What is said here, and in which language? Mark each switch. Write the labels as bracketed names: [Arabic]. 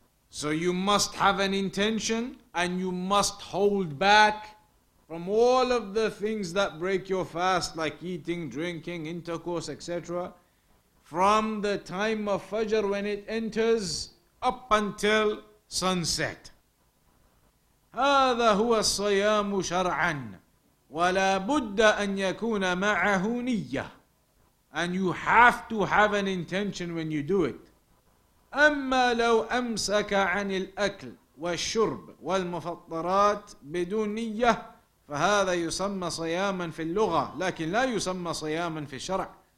[English] So you must have an intention and you must hold back from all of the things that break your fast, like eating, drinking, intercourse, etc., from the time of Fajr when it enters up until sunset. [Arabic] هذا هو الصيام شرعا ولا بد أن يكون معه نية. [English] And you have to have an intention when you do it. [Arabic] أَمَّا لَوْ أَمْسَكَ عَنِ الْأَكْلِ وَالشُّرْبِ وَالْمُفَطَّرَاتِ بِدُونِيَّةِ فَهَذَا يُسَمَّ صَيَامًا فِي اللُّغَةِ لكن لا يُسَمَّ صَيَامًا فِي الشَّرْعِ.